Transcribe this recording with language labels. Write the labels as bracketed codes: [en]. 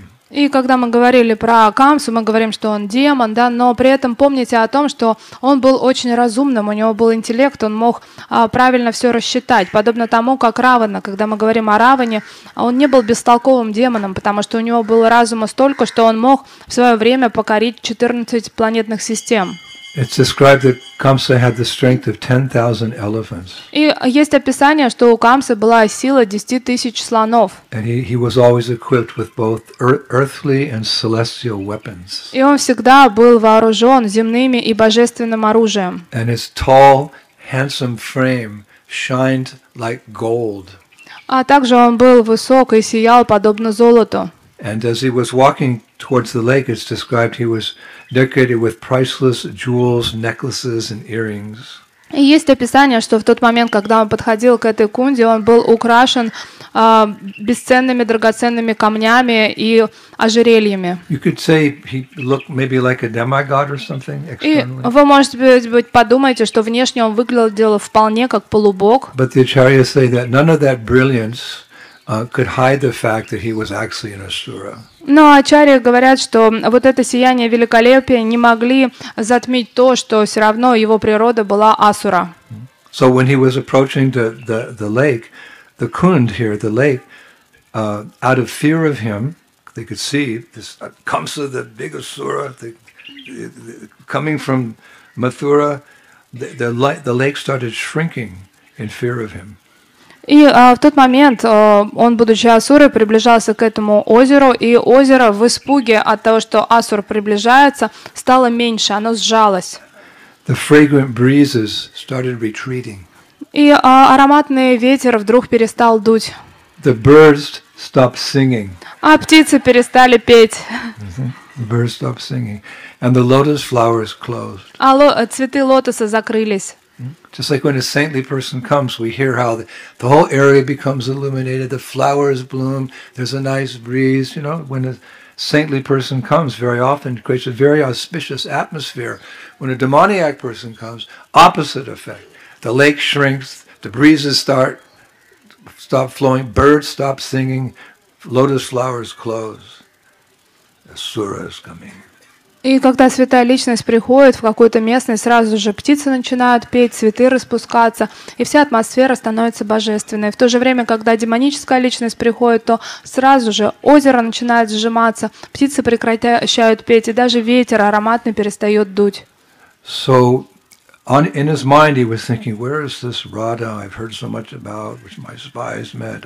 [ru] И когда мы говорили про Камсу, мы говорим, что он демон, да, но при этом помните о том, что он был очень разумным, у него был интеллект, он мог правильно все рассчитать, подобно тому, как Равана. Когда мы говорим о Раване, он не был бестолковым демоном, потому что у него было разума столько, что он мог в свое время покорить 14 планетных систем. [en] It's described that Kamsa had the strength of 10,000 elephants. [ru] И есть описание, что у Камсы была сила 10,000 слонов. [en] And he was always equipped with both earthly and celestial weapons. [ru] И он всегда был вооружен земными и божественным оружием. [en] And his tall, handsome frame shined like gold. [ru] А также он был высок и сиял подобно золоту. [en] And as he was walking towards the lake, it's described he was decorated with priceless jewels, necklaces, and earrings. [ru] И есть описание, что в тот момент, когда он подходил к этой кунде, он был украшен бесценными драгоценными камнями и ожерельями. [en] You could say he looked maybe like a demigod or something externally. [ru] И вы, может быть, подумаете, что внешне он выглядел вполне как полубог. [en] But the acharyas say that none of that brilliance could hide the fact that he was actually an asura. [ru] Но ачарьи говорят, что вот это сияние великолепия не могли затмить то, что все равно его природа была асура. [en] So when he was approaching the lake, the kund here, the lake, out of fear of him, they could see this Kamsa, the big asura, coming from Mathura, the lake started shrinking in fear of him. [ru] И в тот момент он, будучи асурой, приближался к этому озеру, и озеро в испуге от того, что асур приближается, стало меньше, оно сжалось. [en] The fragrant breezes started retreating. [ru] И ароматный ветер вдруг перестал дуть. [en] The birds stopped singing. [ru] А птицы перестали петь. [en] Mm-hmm. The birds stopped singing. And the lotus flowers closed. [ru] А цветы лотоса закрылись. [en] Just like when a saintly person comes, we hear how the whole area becomes illuminated, the flowers bloom, there's a nice breeze. You know, when a saintly person comes, very often it creates a very auspicious atmosphere. When a demoniac person comes, opposite effect. The lake shrinks, the breezes stop flowing, birds stop singing, lotus flowers close. Asura is coming. [ru] И когда святая личность приходит в какую-то местность, сразу же птицы начинают петь, цветы распускаться, и вся атмосфера становится божественной. В то же время, когда демоническая личность приходит, то сразу же озеро начинает сжиматься, птицы прекращают петь, и даже ветер ароматный перестает дуть. [en] So, in his mind he was thinking, where is this Radha I've heard so much about, which my spies met?